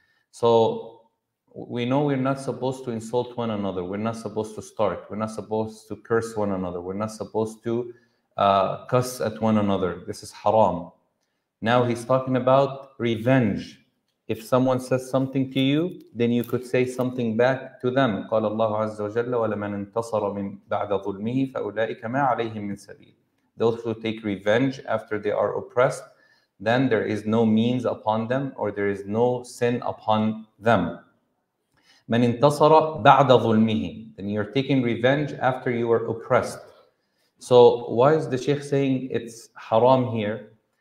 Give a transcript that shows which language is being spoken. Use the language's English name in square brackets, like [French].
[English] So we know we're not supposed to insult one another. We're not supposed to start. We're not supposed to curse one another. We're not supposed to cuss at one another. This is haram. Now he's talking about revenge. If someone says something to you, then you could say something back to them. [Arabic] قال الله عز وجل ولمن انتصر من بعد ظلمه فأولئك ما عليهم من سبيل. [English] Those who take revenge after they are oppressed, then there is no means upon them, or there is no sin upon them. [Arabic] من انتصر بعد ظلمه. [English] Then you're taking revenge after you were oppressed. So why is the Sheikh saying it's haram here?